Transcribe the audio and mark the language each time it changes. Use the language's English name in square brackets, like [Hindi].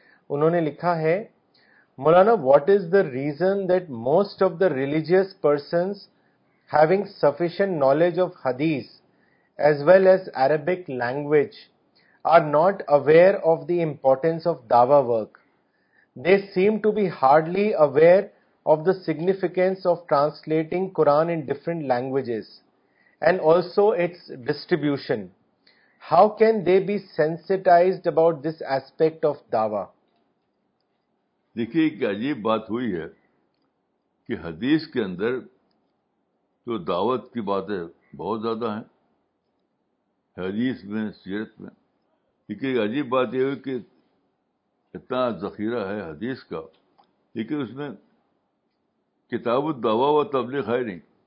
[Urdu] انہوں نے لکھا ہے، [English] مولانا what is the reason that most of the religious persons having sufficient knowledge of حدیث as well as Arabic language are not aware of the importance of دعوی work? They seem to be hardly aware of the significance of translating قرآن in different languages and also its distribution. How can they be sensitized about this aspect of dawa? [Urdu] دیکھیے ایک عجیب بات ہوئی ہے کہ حدیث کے اندر جو دعوت کی باتیں بہت زیادہ ہیں، حدیث میں، سیرت میں. دیکھیے ایک عجیب بات یہ ہوئی کہ اتنا ذخیرہ ہے حدیث کا، لیکن اس میں کتاب الدعوی و تبلیغ ہے نہیں.